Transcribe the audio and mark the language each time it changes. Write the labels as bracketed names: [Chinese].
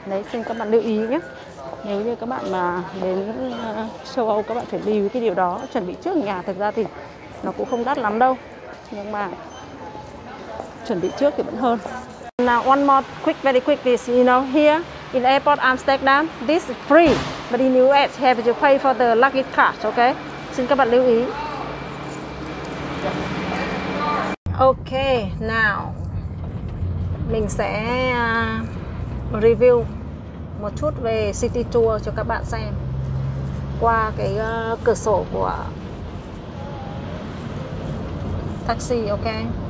[Vietnamese] Đấy, xin các bạn lưu ý nhé. Nếu như các bạn mà đến châu Âu các bạn phải lưu ý cái điều đó, chuẩn bị trước ở nhà. Thực ra thì nó cũng không đắt lắm đâu, nhưng mà chuẩn bị trước thì vẫn hơn. [English] Now one more quick, very quick this, you know, here in airport Amsterdam, this is free. But in US, you have to pay for the luggage card, okay? [Vietnamese] Xin các bạn lưu ý. [English] Okay, now [Vietnamese] mình sẽ review một chút về city tour cho các bạn xem qua cái cửa sổ của taxi, okay?